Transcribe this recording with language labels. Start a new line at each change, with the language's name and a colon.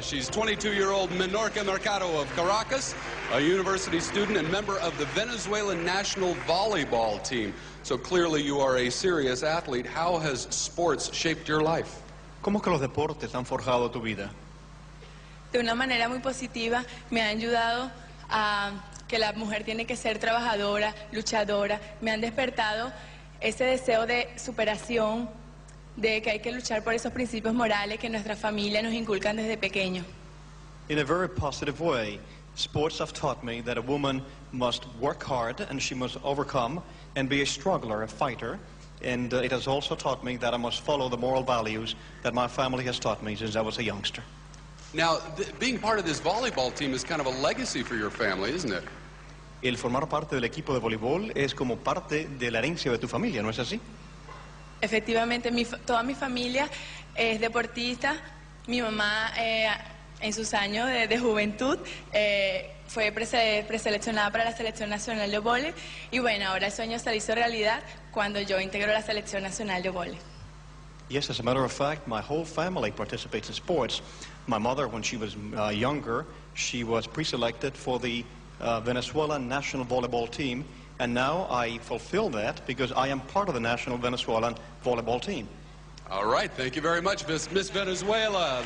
English: She's 22-year-old Minorka Mercado of Caracas, a university student and member of the Venezuelan national volleyball team. So clearly, you are a serious athlete. How has sports shaped your life?
Spanish: ¿Cómo que los deportes han forjado tu vida? De una manera muy positiva, me han ayudado a que la mujer tiene que ser trabajadora, luchadora. Me han despertado ese deseo de superación. De que hay que luchar por esos principios morales que nuestra familia nos inculcan desde pequeño.
English: In a very positive way, sports have taught me that a woman must work hard and she must overcome and be a struggler, a fighter. And it has also taught me that I must follow the moral values that my family has taught me since I was a youngster. Now, being part of this volleyball team is kind of a legacy for your family, isn't it?
Spanish: El formar parte del equipo de voleibol es como parte de la herencia de tu familia, ¿no es así? Efectivamente, toda mi familia es deportista. Mi mamá, en sus años de juventud, fue preseleccionada para la Selección Nacional de Vole. Y bueno, ahora el sueño se hizo realidad cuando yo integro la Selección Nacional de Vole.
English: Yes, as a matter of fact, my whole family participates in sports. My mother, when she was younger, she was preselected for the Venezuelan National Volleyball Team. And now I fulfill that because I am part of the National Venezuelan Volleyball Team. All right, thank you very much, Miss Venezuela.